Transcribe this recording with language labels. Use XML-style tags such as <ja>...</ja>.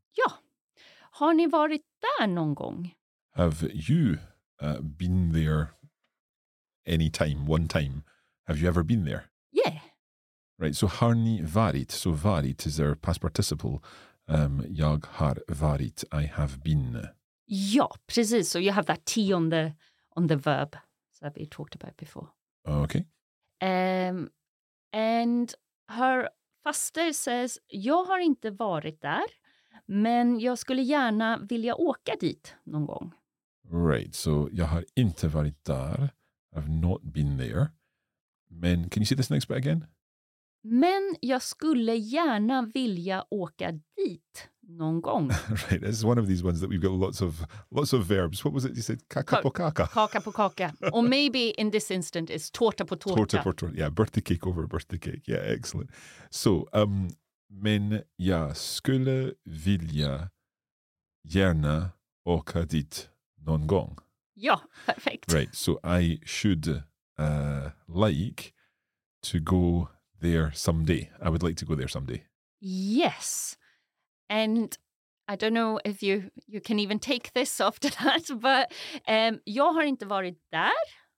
<sv>Ja, har ni varit där någon gång?</sv> <en>Have you been there any time, one time? Have you ever been there? Yeah. Right, so</en> <sv>har ni varit?</sv> <en>So varit is their past participle.</en> <sv>Jag har varit,</sv> <en>I have been.</en> <sv>Ja, precis.</sv> <en>So you have that T on the verb that we talked about before. Okay. And her faster says,</en> <sv>jag har inte varit där. Men jag skulle gärna vilja åka dit någon gång.</sv> <en>Right, so</en> <sv>jag har inte varit där.</sv> <en>I've not been there. Men, can you see this next bit again?</en> <sv>Men jag skulle gärna vilja åka dit någon gång.</sv> <en>Right, this is one of these ones that we've got lots of verbs. What was it you said?</en> <sv>Kaka på kaka. Kaka på kaka.</sv> <en>Or maybe in this instant it's</en> <sv>tårta på tårta. Tårta på tårta,</sv> <en>yeah. Birthday cake over birthday cake. Yeah, excellent.</en> <sv>So, men jag skulle vilja gärna åka dit någon gång. Ja, perfekt.</sv> <en>Right, so I should like to go there someday. I would like to go there someday. Yes. And I don't know if you can even take this after that, but</en> <sv>jag har inte varit där.</sv>